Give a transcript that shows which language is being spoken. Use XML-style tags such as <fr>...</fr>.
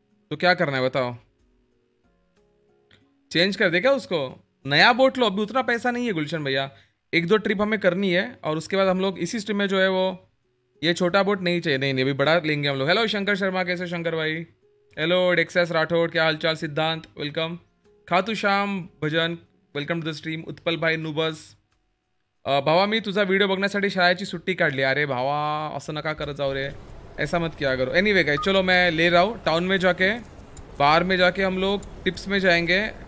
<hi>तो क्या करना है बताओ, चेंज कर देगा उसको, नया बोट लो, अभी उतना पैसा नहीं है गुलशन भैया। एक दो ट्रिप हमें करनी है और उसके बाद हम लोग इसी स्ट्रीम में जो है वो, ये छोटा बोट नहीं चाहिए, नहीं नहीं अभी बड़ा लेंगे हम लोग। हेलो शंकर शर्मा, कैसे शंकर भाई? हेलो डेक्सेस राठौड़, क्या हालचाल? सिद्धांत वेलकम, खातु श्याम भजन welcome to the stream, Utpal भाई नुबस,</hi> <mr>भावा मी तुझा व्हिडिओ बघण्यासाठी शाळेची सुट्टी काढली। अरे भावा असं नका करत जाऊ रे,</mr> <hi>ऐसा मत किया करो। एनीवे गाइस, चलो मैं ले रहा हूँ टाउन में जाके, बार में जाके हम लोग टिप्स में जाएंगे।</hi>